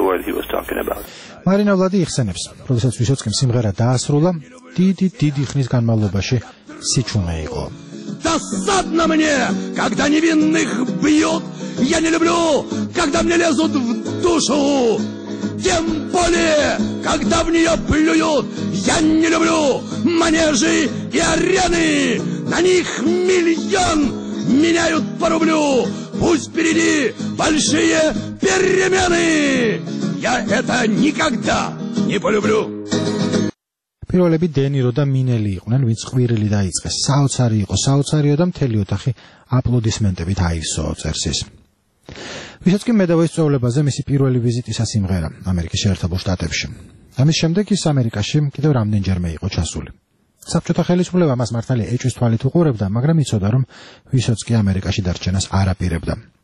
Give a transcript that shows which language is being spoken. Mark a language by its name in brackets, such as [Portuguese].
[Georgian] მარინა ვლადი იხსენებს, როდესაც ვისოცკიმ სიმღერა დაასრულა, დიდი დიდი ხნის განმავლობაში სიჩუმე იყო. [Russian] Досадно мне, когда невинных бьют. Я не люблю, когда мне лезут в душу. Тем более, когда в неё плюют. Я не люблю манежи и арены. На них миллион меняют по рублю. Пусть впереди большие перемены. Я это никогда не полюблю. [Georgian] პირველები დენირო და მინელი იყვნენ, ვინც ყვირილი დაიწყეს. საოცარი იყო, საოცარიო და მთელი ოთახი აპლოდისმენტებით აისო წერსის. ვისოცკი მედავოვის წვეულებაზე მისი პირველი ვიზიტისას იმღერა ამერიკის შეერთებულ შტატებში. ამის შემდეგ ის ამერიკაში კიდევ რამდენჯერმე იყო ჩასული. საბჭოთა ხელისუფლება მას მართალია ეჭვის თვალით უყურებდა, მაგრამ იცოდა, რომ ვისოცკი ამერიკაში დარჩენას არ აპირებდა.